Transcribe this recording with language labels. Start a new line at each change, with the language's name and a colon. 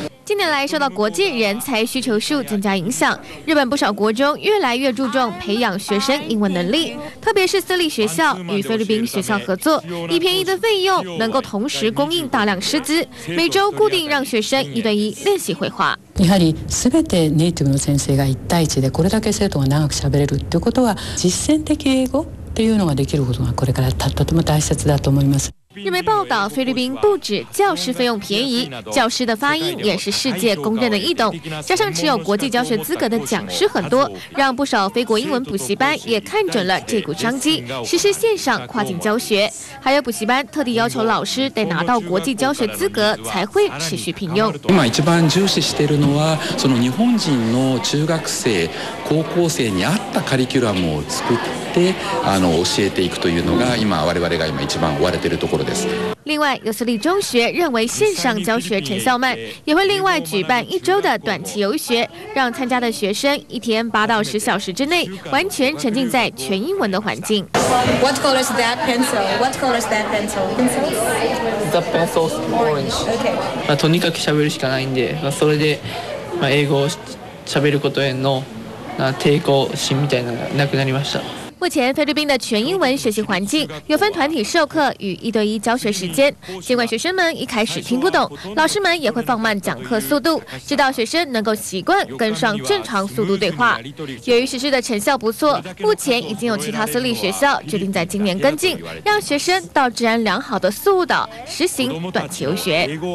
Chinese: 近年来受到国际人才需求数增加影响，日本不少国中越来越注重培养学生英文能力，特别是私立学校与菲律宾学校合作，以便宜的费用能够同时供应大量师资，每周固定让学生一对一练习绘画。
Japanese: やはり全てネイティブの先生が一対一でこれだけ生徒が長くしゃべれるってことは、実践的英語っていうのができることがこれからとても大切だと思います。
Chinese: 日媒报道，菲律宾不止教师费用便宜，教师的发音也是世界公认的异动，加上持有国际教学资格的讲师很多，让不少非国英文补习班也看准了这股商机，实施线上跨境教学。还有补习班特地要求老师得拿到国际教学资格才会持续聘用。
Japanese: 今一番重视しているのは、その日本人の中学生、高校生に合ったカリキュラムを作って教えていくというのが今我々が今一番追われているところ。ようです。
Chinese: 另外，尤斯利中学认为线上教学成效慢，也会另外举办一周的短期游学，让参加的学生一天8到10小时之内完全沉浸在全英文的环境。
English: What color is that pencil? What color is that pencil? That pencil's orange. Okay.
Japanese: まあとにかく喋るしかないんで、まあそれで、まあ、英語を喋ることへの、まあ、抵抗心みたいなのがなくなりました。
Chinese: 目前菲律宾的全英文学习环境有分团体授课与一对一教学时间，尽管学生们一开始听不懂，老师们也会放慢讲课速度，直到学生能够习惯跟上正常速度对话。由于实施的成效不错，目前已经有其他私立学校决定在今年跟进，让学生到治安良好的宿务岛实行短期游学。